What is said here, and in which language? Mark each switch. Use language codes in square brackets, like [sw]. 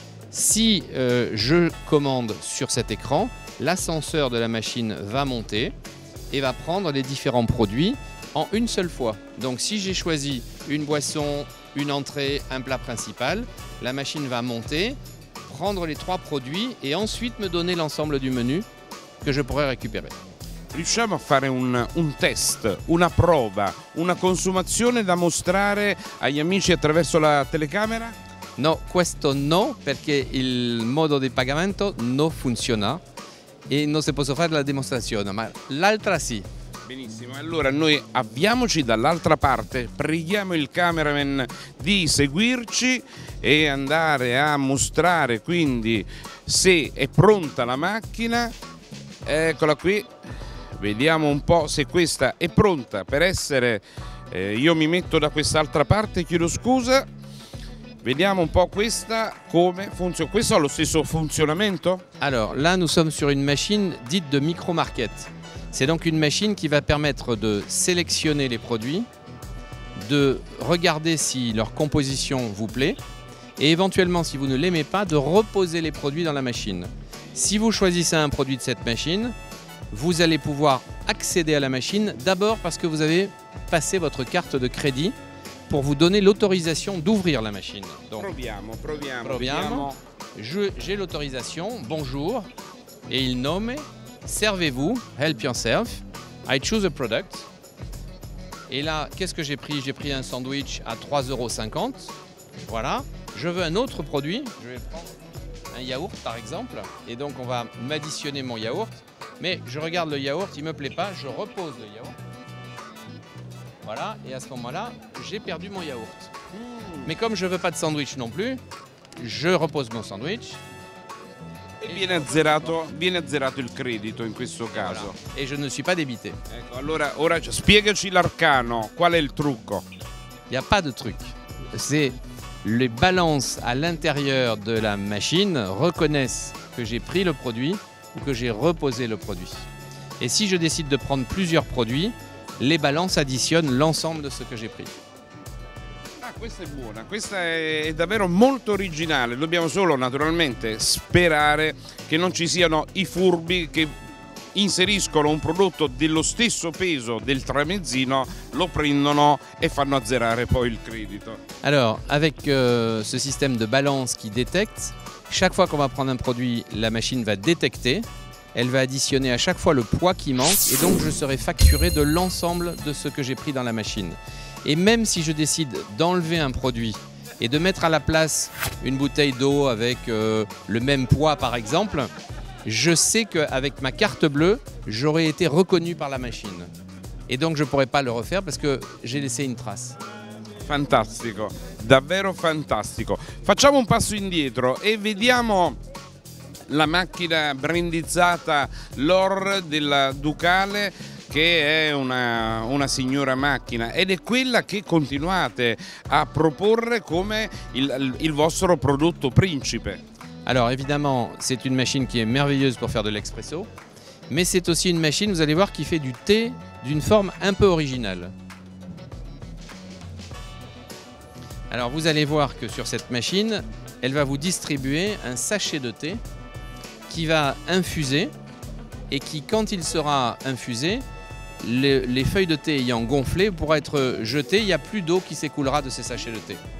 [fr] Si je commande sur cet écran, l'ascenseur de la machine va monter et va prendre les différents produits en une seule fois. Donc si j'ai choisi une boisson, une entrée, un plat principal, la machine va monter, prendre les trois produits et ensuite me donner l'ensemble du menu que je pourrai récupérer. [it] Riusciamo a fare un test, una prova, una consumazione da mostrare agli amici attraverso la telecamera? No, questo no, perché il modo di pagamento non funziona e non si può fare la dimostrazione, ma l'altra sì. Benissimo, allora noi avviamoci dall'altra parte, preghiamo il cameraman di seguirci e andare a mostrare quindi se è pronta la macchina. Eccola qui. Vediamo un po' se questa è pronta per essere... io mi metto da quest'altra parte, chiedo scusa. Vediamo un po' questa come funziona. Questo ha lo stesso funzionamento? [fr] Allora, là nous sommes sur une machine dite de micro-market. C'est donc une machine qui va permettre de sélectionner les produits, de regarder si leur composition vous plaît et éventuellement, si vous ne l'aimez pas, de reposer les produits dans la machine. Si vous choisissez un produit de cette machine, vous allez pouvoir accéder à la machine d'abord parce que vous avez passé votre carte de crédit pour vous donner l'autorisation d'ouvrir la machine. [it] Donc, proviamo. [fr] J'ai l'autorisation, bonjour, et il nomme, servez-vous, [en] help yourself, I choose a product. [fr] Et là, qu'est-ce que j'ai pris? J'ai pris un sandwich à 3,50 €. Voilà, je veux un autre produit, je vais prendre un yaourt par exemple, et donc on va m'additionner mon yaourt, mais je regarde le yaourt, il ne me plaît pas, je repose le yaourt. Voilà, et à ce moment-là, j'ai perdu mon yaourt. Mais comme je ne veux pas de sandwich non plus, je repose mon sandwich. [it] E viene azzerato il credito in questo caso. [fr] E je ne suis pas débité. [it] Ecco, allora ora spiegaci l'arcano, qual è il trucco? [fr] Il n'y a pas de truc. C'est les balances à l'intérieur de la machine reconnaissent que j'ai pris le produit ou que j'ai reposé le produit. Et si je décide de prendre plusieurs produits, les balances additionnent l'ensemble de ce que j'ai pris. [it] Questa è buona, questa è davvero molto originale. Dobbiamo solo naturalmente sperare che non ci siano i furbi che inseriscono un prodotto dello stesso peso del tramezzino, lo prendono e fanno azzerare poi il credito. [fr] Alors, avec ce système de balance qui détecte, chaque fois qu'on va prendre un produit, la machine va détecter, elle va additionner à chaque fois le poids qui manque et donc je serai facturé de l'ensemble de ce que j'ai pris dans la machine. Et même si je décide d'enlever un produit et de mettre à la place une bouteille d'eau avec le même poids par exemple, je sais qu'avec ma carte bleue, j'aurai été reconnu par la machine. Et donc je ne pourrai pas le refaire parce que j'ai laissé une trace. [it] Fantastico, davvero fantastico. Facciamo un passo indietro e vediamo la macchina brandizzata LOR della Ducale, che è una signora macchina ed è quella che continuate a proporre come il vostro prodotto principe. [fr] Alors évidemment, c'est une machine qui est merveilleuse pour faire de l'expresso, mais c'est aussi une machine, vous allez voir, qui fait du thé d'une forme un peu originale. Alors vous allez voir que sur cette machine, elle va vous distribuer un sachet de thé qui va infuser et qui, quand il sera infusé, les feuilles de thé ayant gonflé pour être jetées, il n'y a plus d'eau qui s'écoulera de ces sachets de thé.